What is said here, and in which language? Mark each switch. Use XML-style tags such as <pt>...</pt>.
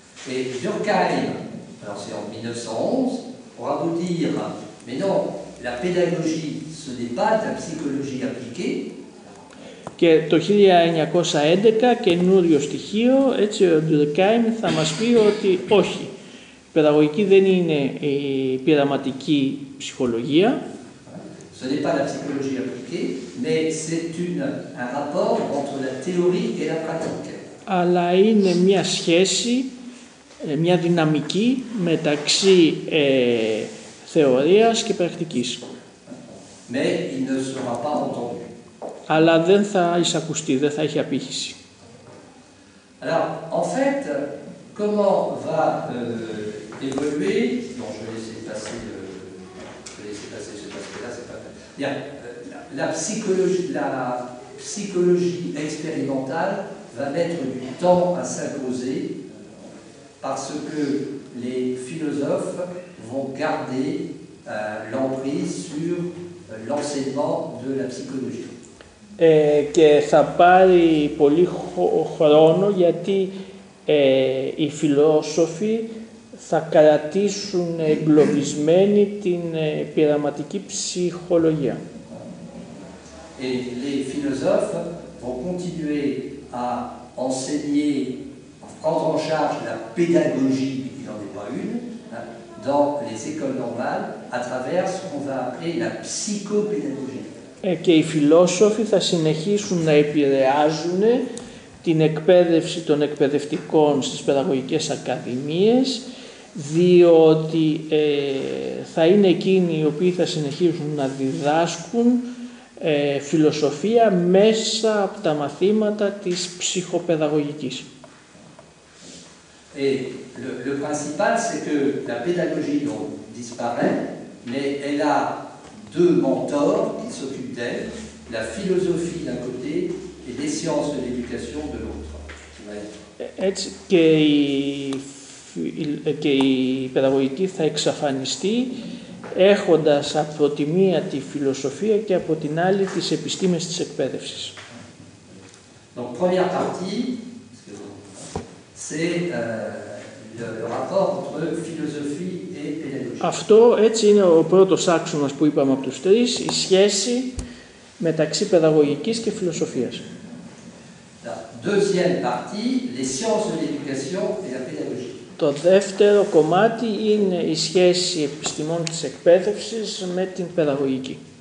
<fr>Et Durkheim, alors c'est en 1911, pourra vous dire, mais non, la pédagogie, ce n'est pas la psychologie appliquée.</fr> <el>Και το 1911 καινούριο στοιχείο, έτσι ο Durkheim θα μας πει ότι όχι, η παιδαγωγική δεν είναι η πειραματική ψυχολογία.</el> <fr>Ce n'est pas la psychologie appliquée, mais c'est un rapport entre la théorie et la pratique.</fr> <el>Αλλά είναι μια σχέση, μια δυναμική μεταξύ θεωρίας και πρακτικής.</el> <fr>Mais il ne sera pas entendu.</fr> <el>Αλλά δεν θα εισακουστεί, δεν θα έχει απήχηση.</el> <fr>Alors, en fait, comment va évoluer. Non, je vais laisser passer ce parce que là, c'est pas. La psychologie expérimentale va mettre du temps à s'imposer parce que les philosophes vont garder l'emprise sur l'enseignement de la psychologie.</fr> <el>Και θα πάρει πολύ χρόνο γιατί οι φιλόσοφοι θα κρατήσουν εγκλωβισμένη την πειραματική ψυχολογία.</el> <fr>Et les philosophes vont continuer à enseigner, à prendre en charge la pédagogie, il n'en est pas une, dans les écoles normales, à travers ce qu'on va appeler la psychopédagogie.</fr> <el>Και οι φιλόσοφοι θα συνεχίσουν να επηρεάζουν την εκπαίδευση των εκπαιδευτικών στις παιδαγωγικές ακαδημίες, διότι θα είναι εκείνοι οι οποίοι θα συνεχίσουν να διδάσκουν φιλοσοφία μέσα από τα μαθήματα της ψυχοπαιδαγωγικής.</el> <fr>Le principal c'est que la pédagogie non disparaît, mais elle a deux mentors qui s'occupent d'elle, la philosophie d'un côté et les sciences de l'éducation de l'autre.</fr> <el>Έτσι και η παιδαγωγική θα εξαφανιστεί έχοντας από τη μία τη φιλοσοφία και από την άλλη τις επιστήμες της εκπαίδευσης.</el> <fr>Donc première partie, c'est le rapport entre philosophie.</fr> <el>Αυτό έτσι είναι ο πρώτος άξονας που είπαμε από τους τρεις, η σχέση μεταξύ παιδαγωγικής και φιλοσοφίας.</el> <fr>La deuxième partie, les sciences de l'éducation et la pédagogie.</fr> <el>Το δεύτερο κομμάτι είναι η σχέση επιστημών της εκπαίδευσης με την παιδαγωγική.</el>